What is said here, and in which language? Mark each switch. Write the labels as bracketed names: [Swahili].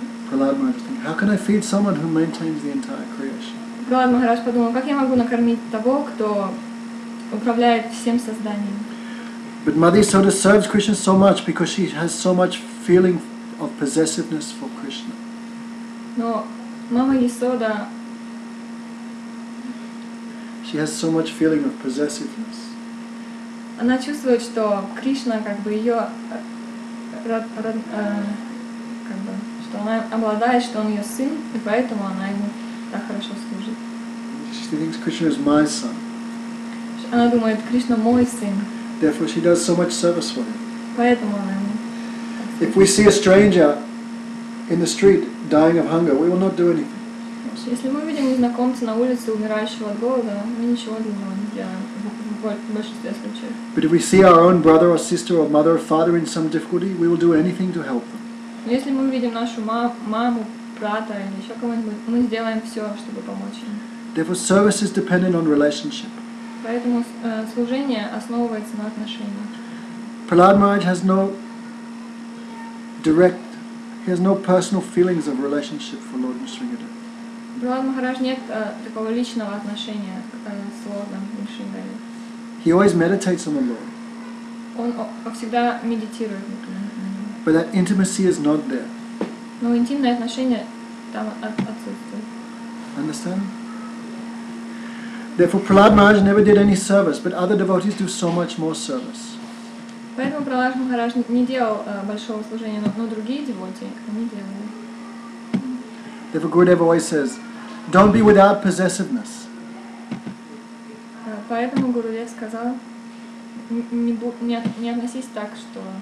[English] How can I feed someone who maintains the entire creation? [Russian] Прохлад Махарадж подумал, как я могу накормить того, кто управляет всем созданием? [English] But Mother Yasoda serves Krishna so much because she has so much feeling of possessiveness for Krishna. [Russian] Но Мама Ясода. [English] She has so much feeling of possessiveness. [Russian] Она чувствует, что Кришна как бы ее как бы, что она обладает, что он ее сын, и поэтому она ему так хорошо служит. [English] She thinks Krishna is my son. [Russian] Она думает, Кришна мой сын. [English] Therefore, she does so much service for him. [Russian] Поэтому она ему. [English] If we see a stranger in the street dying of hunger, we will not do anything. [Russian] Если мы видим незнакомца на улице умирающего от голода, мы ничего для него не делаем. В большинстве случаев. [English] But if we see our own brother or sister or mother or father in some difficulty, we will do anything to help them. [Russian] Если мы видим нашу маму, брата или еще кого-нибудь, мы сделаем все, чтобы помочь им. [English] Therefore, service is dependent on relationship. [Russian] Поэтому служение основывается на отношениях. [English] Prahlad Maharaj has no direct. He has no personal feelings of relationship for Lord Nrisingadev. [Russian] Prahlad Maharaj нет такого личного отношения с Лордом Нрисингадевом. [English] He always meditates on the Lord. [Russian] Он всегда медитирует. [English] But that intimacy is not there. [Russian] Но интимные отношения там отсутствуют. [English] Understand? Therefore, Prahlad Maharaj never did any service, but other devotees do so much more service. [Russian] Поэтому Прохлад Махарадж не делал большого служения, но другие девоти они делали. [English] Therefore, Gurudev always says, "Don't be without possessiveness." [Russian] Поэтому Гурудев сказал, не относись так, что